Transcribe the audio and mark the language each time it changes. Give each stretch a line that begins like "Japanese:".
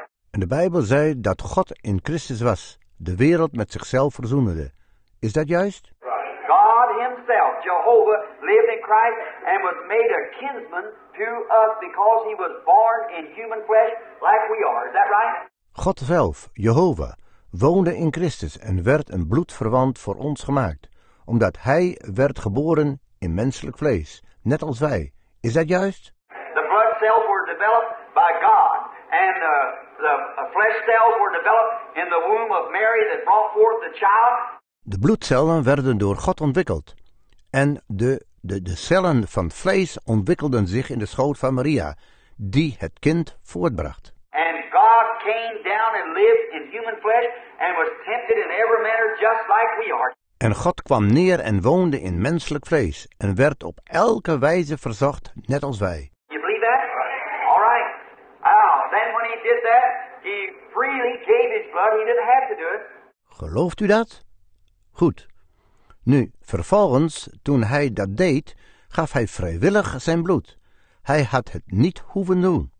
Dutch: En de Bijbel zei dat God in Christus was, de wereld met zichzelf verzoenende. Is dat juist?
English: God himself, Jehovah, lived in Christ and was made a kinsman to us because he was born in human flesh like we are. Is that right?
Dutch: God zelf, Jehovah, woonde in Christus en werd een bloedverwant voor ons gemaakt, omdat hij werd geboren in menselijk vlees, net als wij. Is dat juist?
English: The blood cells were developed by God. And the flesh cells were developed in the womb of Mary that brought forth the child.
Dutch: De bloedcellen werden door God ontwikkeld. En de cellen van vlees ontwikkelden zich in de schoot van Maria, die het kind voortbracht.
English: And God came down and lived in human flesh and was tempted in every manner just like we are.
Dutch: En God kwam neer en woonde in menselijk vlees en werd op elke wijze verzocht, net als wij.
English: You believe that? All right. Now, then when he did that, he freely gave his blood. He didn't have to do it.
Dutch: Gelooft u dat? Goed. Nu, vervolgens, toen hij dat deed, gaf hij vrijwillig zijn bloed. Hij had het niet hoeven doen.